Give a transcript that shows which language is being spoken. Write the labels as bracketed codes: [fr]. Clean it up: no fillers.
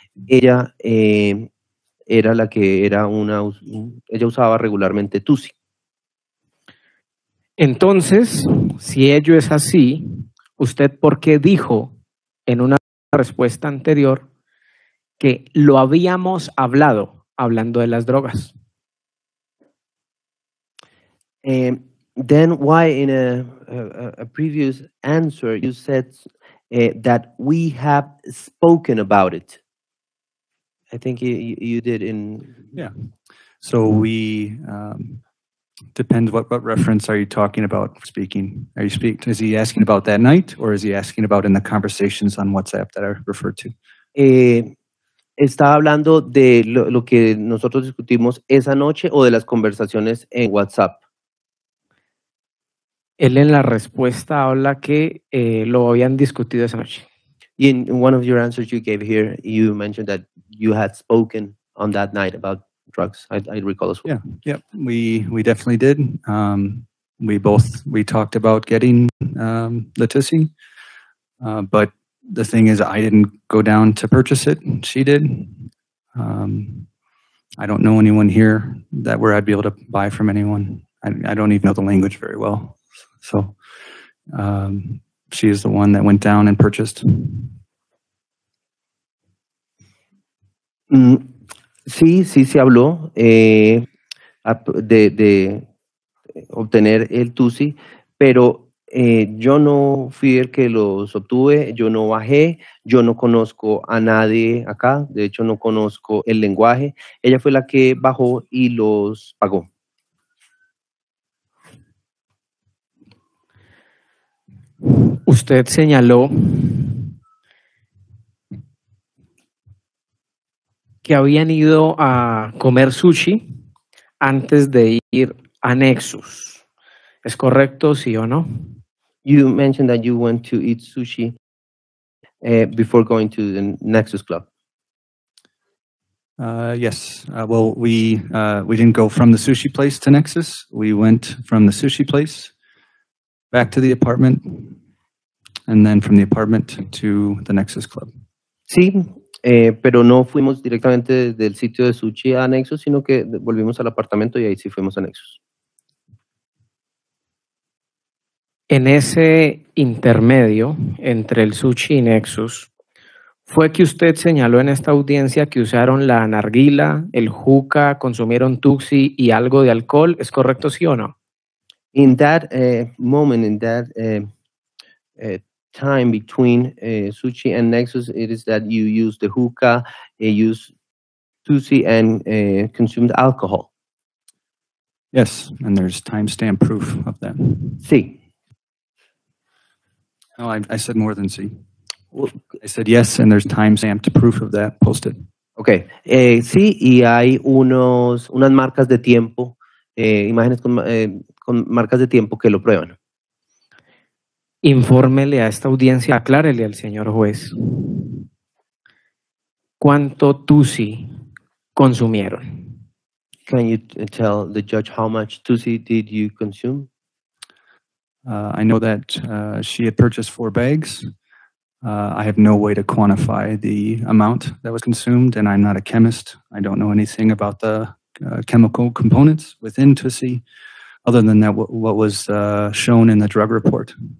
[es] Ella era la que era una, ella usaba regularmente Tusi. Entonces, si ello es así, ¿usted por qué dijo en una respuesta anterior que lo habíamos hablado hablando de las drogas? [en] Then why in a previous answer you said that we have spoken about it? I think you did in... Yeah. So we... depends what reference are you talking about speaking? Are you speaking... Is he asking about that night or is he asking about in the conversations on WhatsApp that I referred to? [es] Estaba hablando de lo que nosotros discutimos esa noche o de las conversaciones en WhatsApp. Él en la respuesta habla que lo habían discutido esa noche. [en] In one of your answers you gave here, you mentioned that you had spoken on that night about drugs. I recall as well. Yeah, we definitely did. We talked about getting Letizia, but the thing is, I didn't go down to purchase it. She did. I don't know anyone here that where I'd be able to buy from anyone. I don't even know the language very well. So, she is the one that went down and purchased. [es] Sí habló de obtener el Tusi, pero yo no fui el que los obtuve, yo no bajé, yo no conozco a nadie acá, de hecho no conozco el lenguaje. Ella fue la que bajó y los pagó. Usted señaló que habían ido a comer sushi antes de ir a Nexus. ¿Es correcto, sí o no? [en] You mentioned that you went to eat sushi before going to the Nexus Club. Yes. We didn't go from the sushi place to Nexus. We went from the sushi place back to the apartment. And then from the apartment to the Nexus Club. [es] Sí, Pero no fuimos directamente del sitio de Suchi a Nexus, sino que volvimos al apartamento y ahí sí fuimos a Nexus. En ese intermedio entre el Suchi y Nexus, ¿fue que usted señaló en esta audiencia que usaron la narguila, el juca, consumieron tuxi y algo de alcohol? ¿Es correcto, sí o no? [en] In that moment, in that time between Suchi and Nexus, it is that you use the hookah, you use tuxi and consumed alcohol. Yes, and there's timestamp proof of that. [es] Sí. [en] No, I said more than sí. I said yes, and there's timestamped proof of that posted. Okay. [es] Sí, y hay unas marcas de tiempo, imágenes con marcas de tiempo que lo prueban. Infórmele a esta audiencia, aclárele al señor juez, ¿cuánto tusi consumieron? [en] Can you tell the judge how much tusi did you consume? I know that she had purchased 4 bags. I have no way to quantify the amount that was consumed, and I'm not a chemist. I don't know anything about the chemical components within tusi, other than that what was shown in the drug report.